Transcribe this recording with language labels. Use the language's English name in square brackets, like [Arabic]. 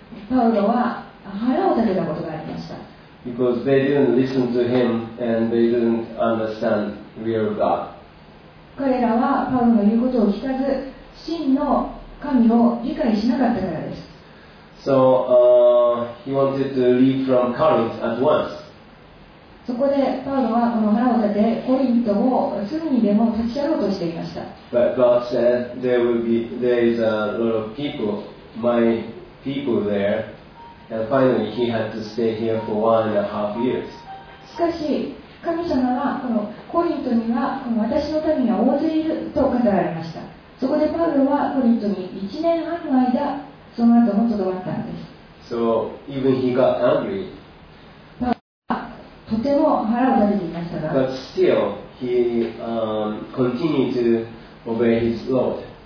[Japanese] パウロは腹を立てたことがありました。 [English] Because they didn't listen to him and they didn't understand real God. [Japanese] 彼らはパウロの言うことを聞かず、真の神を理解しなかったからです。 [English] So, he wanted to leave from Corinth at once. [Japanese] そこでパウロはこの腹を立て、コリントをすぐにでも立ち去ろうとしていました。 [English] But God said there will be, there is a lot of people, my people there. And finally, he had to stay here for one and a half years. [Japanese] しかし、神様はこのコリントには私の民が大勢いると語られました。そこでパウロはコリントに1年半の間その後もとどまったんです。 [English] So even he got angry. [Japanese] パウロはとても腹を立てていましたが。 [English] But still he continued to obey his Lord.